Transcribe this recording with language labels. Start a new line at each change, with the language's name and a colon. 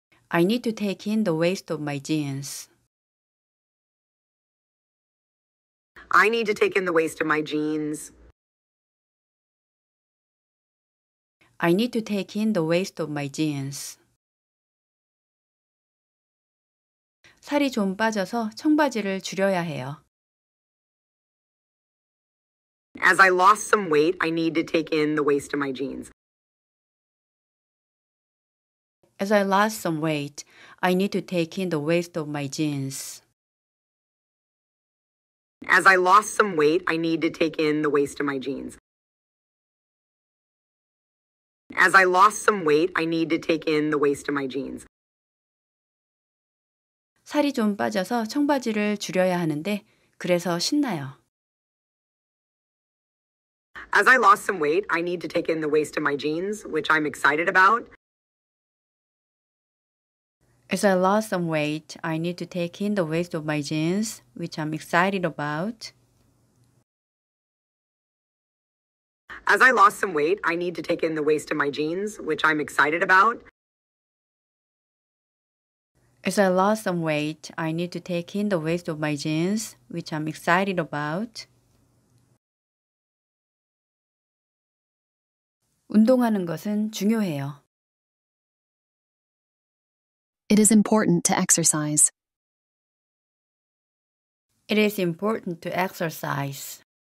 English: I need to take in the waist of my jeans. I need to take in the waist of my jeans. I need to take in the waist of my jeans.
Korean: 살이 좀 빠져서 청바지를 줄여야 해요.
English: As I lost some weight, I need to take in the waist of my jeans. As I lost some weight, I need to take in the waist of my jeans. As I lost some weight, I need to take in the waist of my jeans. As I lost some weight, I need to take in the waist of my jeans.
Korean: 살이 좀 빠져서 청바지를 줄여야 하는데 그래서 신나요.
English: As I lost some weight, I need to take in the waist of my jeans, which I'm excited about. As I lost some weight, I need to take in the waist of my jeans, which I'm excited about. As I lost some weight, I need to take in the waist of my jeans, which I'm excited about. As I lost some weight, I need to take in the waist of my jeans, which I'm excited about.
Korean: 운동하는 것은 중요해요.
English: It is important to exercise. It is important to exercise.